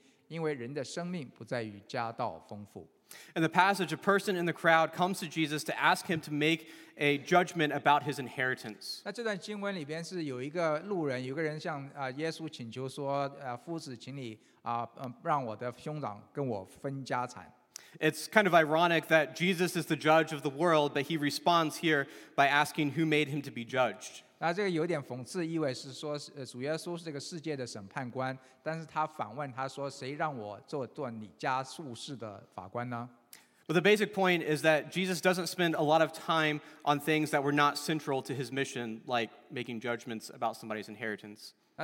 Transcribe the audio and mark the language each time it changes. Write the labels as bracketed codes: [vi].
[zh] 我们不会把这段经文再全部再读一遍，但是我就给大家提醒第15节。于是对众人说，你们要谨慎自守，免去一切的贪心，因为人的生命不在于家道丰富。 [en] In the passage, a person in the crowd comes to Jesus to ask him to make a judgment about his inheritance. [zh] 那这段经文里边是有一个路人，有个人向耶稣请求说，夫子，请你让我的兄长跟我分家产。 [en] It's kind of ironic that Jesus is the judge of the world, but he responds here by asking who made him to be judged. [zh] 那这个有点讽刺意味是说，主耶稣是这个世界的审判官，但是他反问他说，谁让我做你家术士的法官呢？ [en] But the basic point is that Jesus doesn't spend a lot of time on things that were not central to his mission, like making judgments about somebody's inheritance.